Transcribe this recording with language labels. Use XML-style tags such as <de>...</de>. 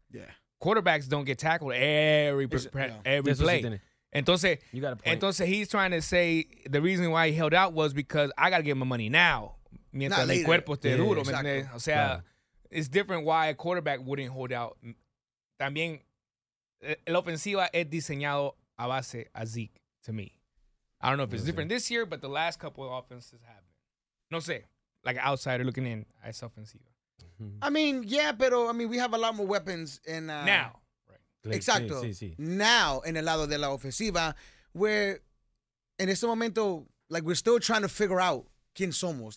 <en>Yeah. Quarterbacks don't get tackled every play. Entonces, you got a point. Entonces he's trying to say the reason why he held out was because I got to get my money now.</en> <es>Mientras mi cuerpo esté duro.</es> <en>Exactly. O sea, it's different why a quarterback wouldn't hold out.</en> <es>También, la ofensiva es diseñado a base a Zeke.</es> <en>To me, I don't know if it's different this year, but the last couple of offenses have been.</en> <es>No sé,</es> <en>like an outsider looking in, I saw ofensiva. I mean, yeah, pero I mean, we have a lot more weapons in now,</en> <es>right? Exacto. Sí. Now, en el lado de la ofensiva, where in este momento,</es> <en>like we're still trying to figure out</en> <es>quién somos.</es>